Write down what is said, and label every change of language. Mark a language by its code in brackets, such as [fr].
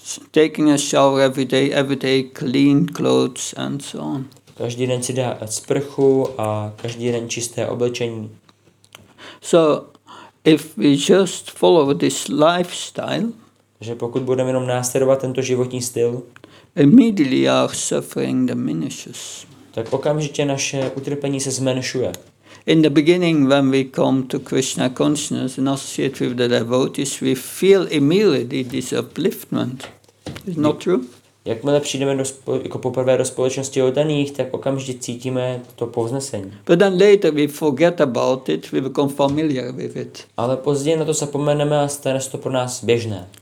[en] Taking a shower every day, clean clothes and so on. [cs] Každý den si dá sprchu a každý den čisté oblečení. [en] So, if we just follow this lifestyle, [cs] že pokud budeme jenom následovat tento životní styl, [en] immediately our suffering diminishes. [cs] Tak okamžitě naše utrpení se zmenšuje. [en] In the beginning, when we come to Krishna consciousness and associate with the devotees, we feel immediately this upliftment. Is not true? [cs] Jakmile přijdeme jako poprvé do společnosti oddaných, tak okamžitě cítíme to povznesení. [en] But then later we forget about it, we become familiar with it. [cs] Ale později na to zapomeneme a stane se to pro nás běžné.